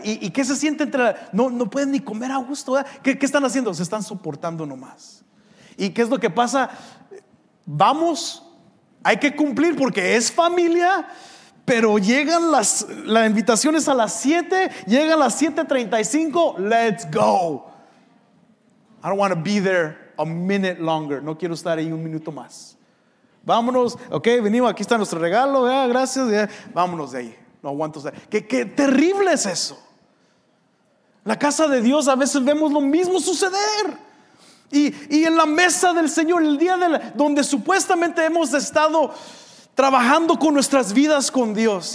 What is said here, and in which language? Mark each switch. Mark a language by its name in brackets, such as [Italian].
[Spanish] ¿Y qué se siente entre la? No pueden ni comer a gusto. ¿Qué están haciendo? Se están soportando nomás. ¿Y qué es lo que pasa? Vamos, hay que cumplir porque es familia, pero llegan las invitaciones a las 7, llegan las 7:35, [English] let's go. I don't want to be there a minute longer. [Spanish] No quiero estar ahí un minuto más. Vámonos, ok, venimos, aquí está nuestro regalo, gracias, vámonos de ahí, no aguanto. ¿Qué terrible es eso? La casa de Dios a veces vemos lo mismo suceder. Y en la mesa del Señor, el día donde supuestamente hemos estado trabajando con nuestras vidas con Dios.